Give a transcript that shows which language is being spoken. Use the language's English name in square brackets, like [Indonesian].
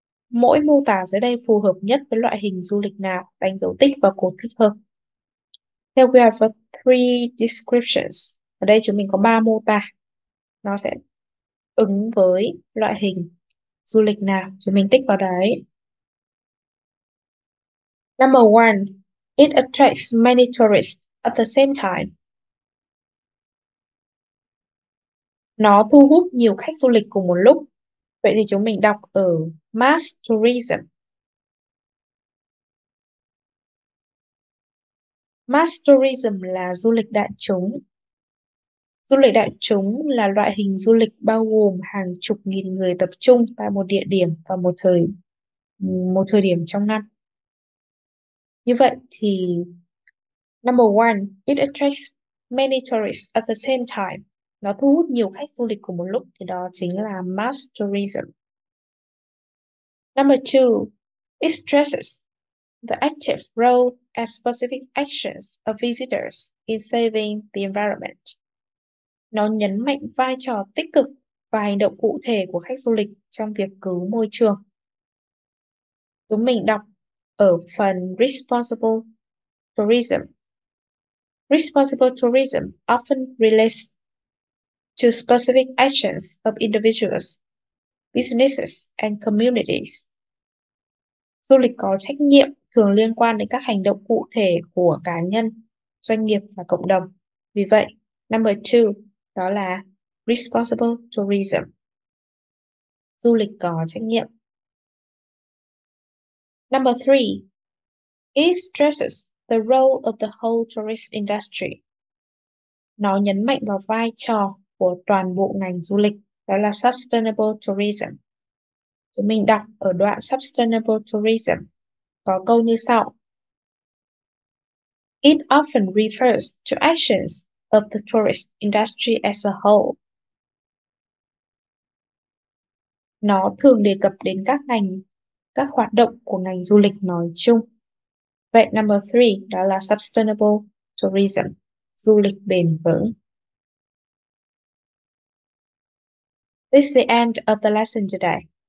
[Vietnamese] Mỗi mô tả dưới đây phù hợp nhất với loại hình du lịch nào? Đánh dấu tích và cột thích hợp. [English] Here we have three descriptions. [Vietnamese] Ở đây chúng mình có ba mô tả. Nó sẽ ứng với loại hình du lịch nào? Chúng mình tích vào đấy. [English] Number one, it attracts many tourists at the same time. [Vietnamese] Nó thu hút nhiều khách du lịch cùng một lúc. Vậy thì chúng mình đọc ở mass tourism. Mass tourism là du lịch đại chúng. Du lịch đại chúng là loại hình du lịch bao gồm hàng chục nghìn người tập trung tại một địa điểm và một thời điểm trong năm. Như vậy thì [English] number one, it attracts many tourists at the same time. [Vietnamese] Nó thu hút nhiều khách du lịch cùng một lúc, thì đó chính là mass tourism. [English] Number two, it stresses the active role and specific actions of visitors in saving the environment. [Vietnamese] Nó nhấn mạnh vai trò tích cực và hành động cụ thể của khách du lịch trong việc cứu môi trường. Chúng mình đọc ở phần responsible tourism. [English] Responsible tourism often relates to specific actions of individuals, businesses, and communities. [Vietnamese] Du lịch có trách nhiệm thường liên quan đến các hành động cụ thể của cá nhân, doanh nghiệp và cộng đồng. Vì vậy, [English] number two, [Vietnamese] đó là responsible tourism. Du lịch có trách nhiệm. [English] Number three, it stresses the role of the whole tourist industry. [Vietnamese] Nó nhấn mạnh vào vai trò của toàn bộ ngành du lịch, đó là sustainable tourism. Chúng mình đọc ở đoạn sustainable tourism có câu như sau. [English] It often refers to actions of the tourist industry as a whole. [Vietnamese] Nó thường đề cập đến các hoạt động của ngành du lịch nói chung. Vậy [English] number three, [Vietnamese] đó là sustainable tourism, du lịch bền vững. [English] This is the end of the lesson today.